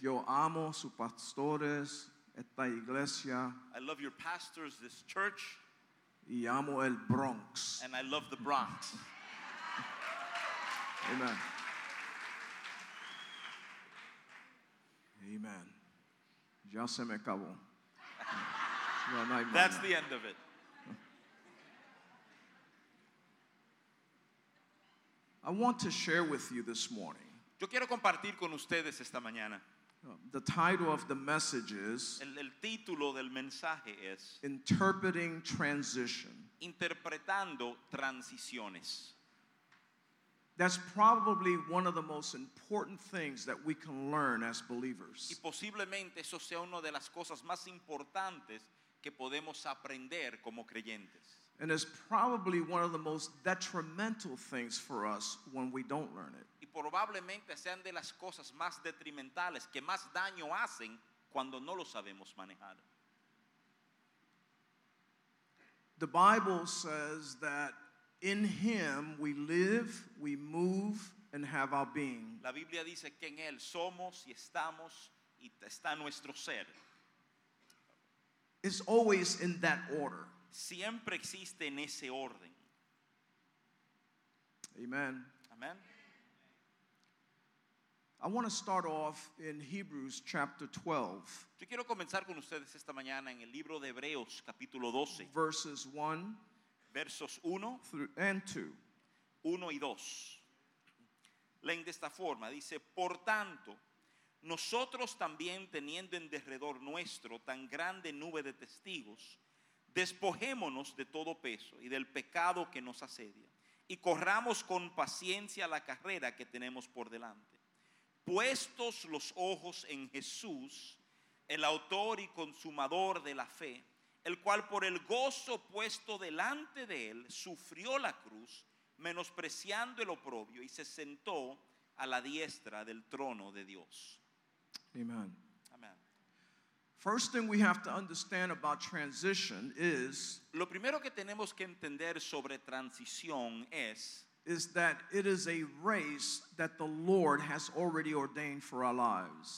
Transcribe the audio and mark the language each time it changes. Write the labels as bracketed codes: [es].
[es] Yo amo sus pastores, esta iglesia. [en] I love your pastors, this church. [es] Y amo el Bronx. [en] And I love the Bronx. Amen. [es] Amen. Ya se me acabó. [en] No, no, that's the end of it. I want to share with you this morning. [es] Yo quiero compartir con ustedes esta mañana. [en] The title of the message is [es] el título del mensaje es [en] Interpreting Transition. [es] Interpretando transiciones. [en] That's probably one of the most important things that we can learn as believers. [es] Y posiblemente eso sea una de las cosas más importantes que podemos aprender como creyentes. [en] And it's probably one of the most detrimental things for us when we don't learn it. [es] Y probablemente sean de las cosas más detrimentales que más daño hacen cuando no lo sabemos manejar. [en] The Bible says that in him we live, we move, and have our being. [es] La Biblia dice que en él somos y estamos y está nuestro ser. [en] It's always in that order. [es] Siempre existe en ese orden. [en] Amen. [es] Amen. [en] I want to start off in Hebrews chapter 12. [es] Yo quiero comenzar con ustedes esta mañana en el libro de Hebreos capítulo 12. [en] Verses 1. [es] Versos 1 [en] and 2. [es] 1 y 2. Leen de esta forma, dice, "Por tanto, nosotros también teniendo en derredor nuestro tan grande nube de testigos, despojémonos de todo peso y del pecado que nos asedia, y corramos con paciencia la carrera que tenemos por delante. Puestos los ojos en Jesús, el autor y consumador de la fe, el cual por el gozo puesto delante de él sufrió la cruz, menospreciando el oprobio y se sentó a la diestra del trono de Dios." [en] Amen. [es] Amen. [en] First thing we have to understand about transition is [es] lo primero que tenemos que entender sobre transición es [en] is that it is a race that the Lord has already ordained for our lives.